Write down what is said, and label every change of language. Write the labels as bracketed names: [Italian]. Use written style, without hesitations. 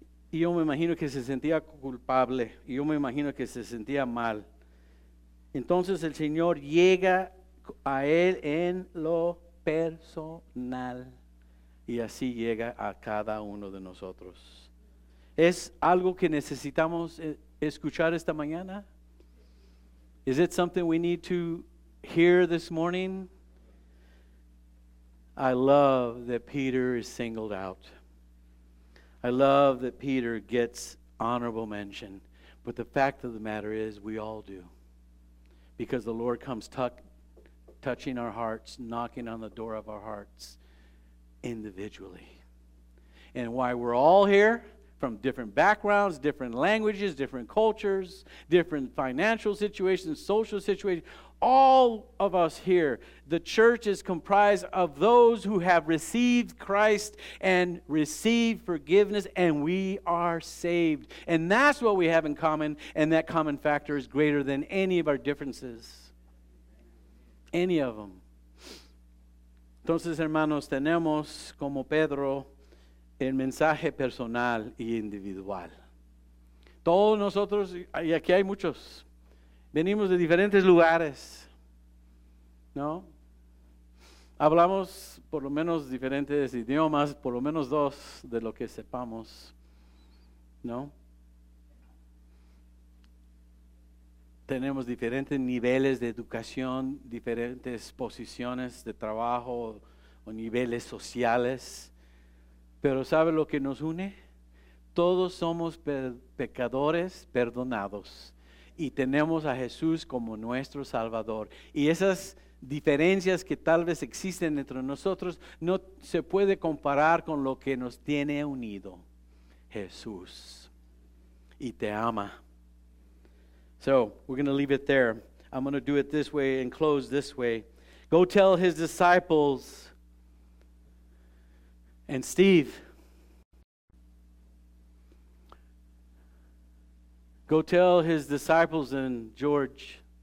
[Spanish] Y yo me imagino que se sentía culpable, y yo me imagino que se sentía mal. Entonces el Señor llega a él en lo personal, y así llega a cada uno de nosotros. ¿Es algo que necesitamos escuchar esta mañana? [English] Is it something we need to hear this morning? I love that Peter is singled out. I love that Peter gets honorable mention. But the fact of the matter is, we all do, because the Lord comes touching our hearts, knocking on the door of our hearts individually. And why we're all here, from different backgrounds, different languages, different cultures, different financial situations, social situations, all of us here, the church is comprised of those who have received Christ and received forgiveness, and we are saved. And that's what we have in common, and that common factor is greater than any of our differences. Any of them. [Spanish] Entonces, hermanos, tenemos como Pedro el mensaje personal y individual. Todos nosotros, y aquí hay muchos, venimos de diferentes lugares, ¿no? Hablamos por lo menos diferentes idiomas, por lo menos 2 de lo que sepamos, ¿no? Tenemos diferentes niveles de educación, diferentes posiciones de trabajo o niveles sociales. Pero ¿sabe lo que nos une? Todos somos pecadores perdonados y tenemos a Jesús como nuestro Salvador. Y esas diferencias que tal vez existen entre nosotros no se puede comparar con lo que nos tiene unido: Jesús. Y te ama. [English] So, we're going to leave it there. I'm going to do it this way and close this way. Go tell his disciples and Steve. Go tell his disciples and George.